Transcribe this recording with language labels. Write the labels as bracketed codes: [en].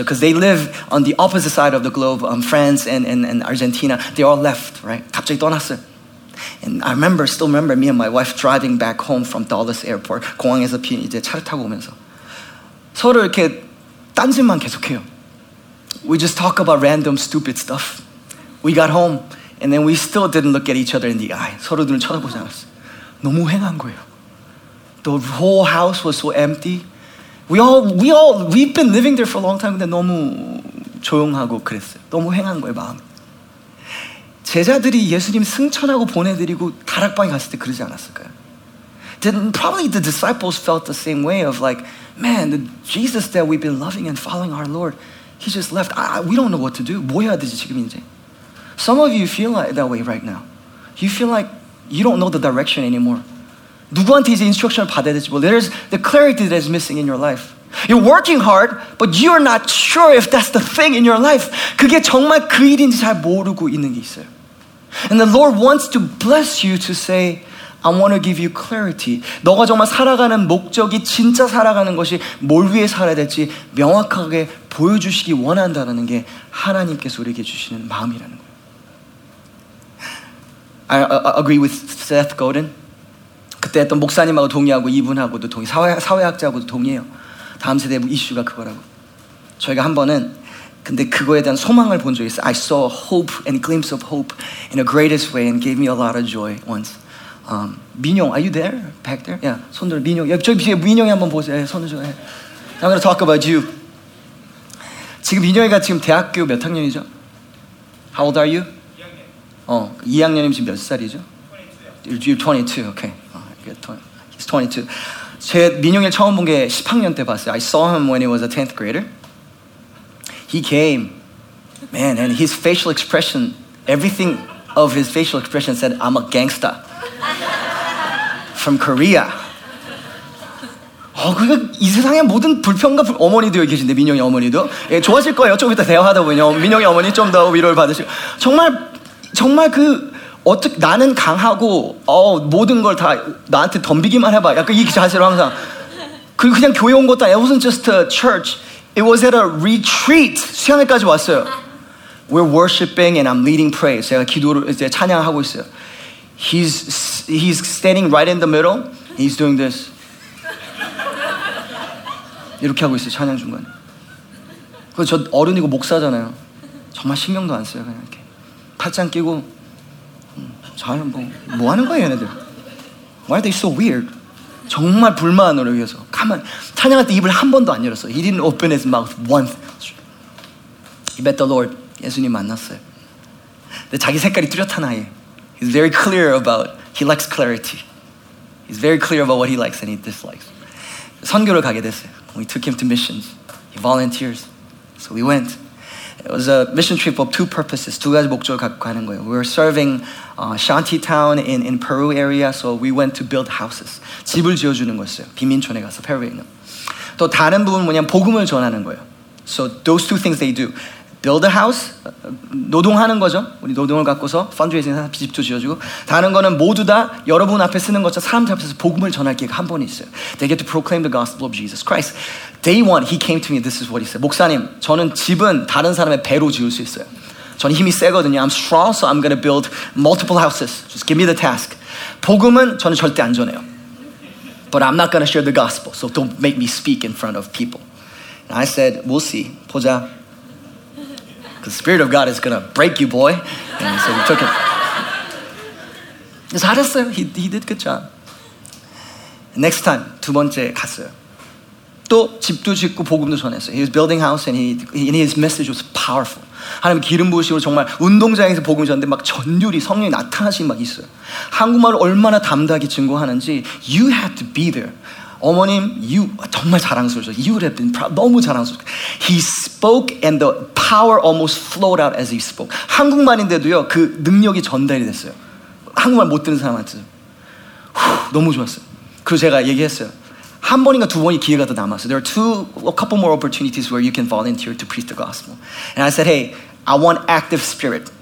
[en] Because they live on the opposite side of the globe. France and Argentina. They all left, right? [ko] 갑자기 떠났어요. [en] And I remember, still remember me and my wife driving back home from Dallas Airport. [ko] 공항에서 이제 차를 타고 오면서 서로 이렇게 딴짓만 계속해요. [en] We just talk about random stupid stuff. We got home and then we still didn't look at each other in the eye. [ko] 서로 눈을 쳐다보지 않았어요. 너무 휑한 거예요. [en] The whole house was so empty. We've been living there for a long time [ko] 근데 너무 조용하고 그랬어요. 너무 휑한 거예요, 마음. 제자들이 예수님 승천하고 보내드리고 다락방에 갔을 때 그러지 않았을까요? [en] Then probably the disciples felt the same way of like, man, the Jesus that we've been loving and following our Lord, he just left. We don't know what to do. [ko] 뭐 해야 되지 지금 이제? [en] Some of you feel like that way right now. You feel like you don't know the direction anymore. [ko] 누구한테 이제 인스트럭션을 받아야 될지 몰라. [en] There's the clarity that is missing in your life. You're working hard, but you're not sure if that's the thing in your life. [ko] 그게 정말 그 일인지 잘 모르고 있는 게 있어요. [en] And the Lord wants to bless you to say, I want to give you clarity. [ko] 너가 정말 살아가는 목적이 진짜 살아가는 것이 뭘 위해 살아야 될지 명확하게 보여주시기 원한다는 게 하나님께서 우리에게 주시는 마음이라는 거예요. [en] I agree with Seth Godin. [ko] 그때 했던 목사님하고 동의하고 이분하고도 동의, 사회학자하고도 동의해요. 다음 세대 이슈가 그거라고. 저희가 한 번은 근데 그거에 대한 소망을 본 적이 있어요. [en] I saw hope and a glimpse of hope in the greatest way and gave me a lot of joy once. 민용, are you there? Back there? Yeah, [ko] 손들어, [en] 민용. [ko] 야, 저기 민용이 한번 보세요. 예, 손을 줘. 예. [en] I'm gonna talk about you. [ko] 지금 민용이가 지금 대학교 몇 학년이죠? [en] How old are you? [ko] 2학년. 2학년이 지금 몇 살이죠? 22요. [en] You're 22, okay. He's 22. [ko] 제 민용이를 처음 본 게 10학년 때 봤어요. [en] I saw him when he was a 10th grader. He came, man, and his facial expression, everything of his facial expression said, I'm a gangsta. From Korea. [ko] 그러니까 이 세상의 모든 불평과 어머니도 여기 계신데, 민용이 어머니도. 예, 좋아질 거예요. 조금 이따 대화하다 보면 민용이 어머니 좀 더 위로를 받으시고. 정말, 정말 그, 어떻게, 나는 강하고, 모든 걸 다 나한테 덤비기만 해봐. 약간 이 자세로 항상. 그리고 그냥 교회 온 것도 아니야. [en] It wasn't just a church. It was at a retreat. [ko] 수양회까지 왔어요. [en] We're worshiping and I'm leading praise. [ko] 제가 기도를, 이제 찬양하고 있어요. [en] He's standing right in the middle. He's doing this. [ko] 이렇게 하고 있어요, 찬양 중간에. 그래서 저 어른이고 목사잖아요. 정말 신경도 안 써요, 그냥 이렇게. 팔짱 끼고. 잘 뭐 하는 거예요, 얘네들? [en] Why are they so weird? [ko] 정말 불만으로 위해서. 가만, 찬양할 때 입을 한 번도 안 열었어. [en] He didn't open his mouth once. He met the Lord. [ko] 예수님 만났어요. 근데 자기 색깔이 뚜렷한 아이예요. [en] He's very clear about, he likes clarity. He's very clear about what he likes and he dislikes. [ko] 선교를 가게 됐어요. [en] We took him to missions. He volunteers. So we went. It was a mission trip of two purposes. [ko] 두 가지 목적을 갖고 가는 거예요. [en] We were serving Shantytown in Peru area. So we went to build houses. [ko] 집을 지어주는 거였어요. 빈민촌에 가서, 페루에 있는. 또 다른 부분은 뭐냐면 복음을 전하는 거예요. [en] So those two things they do. Build a house, [ko] 노동하는 거죠. 우리 노동을 갖고서 펀드레이징 해서 집도 지어주고 다른 거는 모두 다 여러분 앞에 쓰는 것처럼 사람들 앞에서 복음을 전할 기회가 한 번 있어요. [en] They get to proclaim the gospel of Jesus Christ. Day one, he came to me. This is what he said. [ko] 목사님, 저는 집은 다른 사람의 배로 지을 수 있어요. 저는 힘이 세거든요. [en] I'm strong, so I'm going to build multiple houses. Just give me the task. [ko] 복음은 저는 절대 안 전해요. [en] But I'm not going to share the gospel, so don't make me speak in front of people. And I said, we'll see. [ko] 보자. [en] The Spirit of God is going to break you, boy. And so we took it. [ko] 잘했어요. [en] He did good job. Next time, [ko] 두 번째 갔어요. 또 집도 짓고 복음도 전했어요. [en] He was building house and his message was powerful. [ko] 하나님 기름 부으심으로 정말 운동장에서 복음 전하는데 막 전율이 성령이 나타나신 막 있어요. 한국말을 얼마나 담대하게 증거하는지 [en] You have to be there. 어머님, you [ko] 정말 자랑스러워. [en] You would have been proud. [ko] 너무 자랑스러워. [en] He spoke and the power almost flowed out as he spoke. [ko] 한국말인데도요, 그 능력이 전달이 됐어요. 한국말 못 듣는 사람한테. 후, 너무 좋았어요. 그래서 제가 얘기했어요. 한 번인가 두 번이 기회가 더 남았어요. [en] There are two, a couple more opportunities where you can volunteer to preach the gospel. And I said, hey, I want active spirit.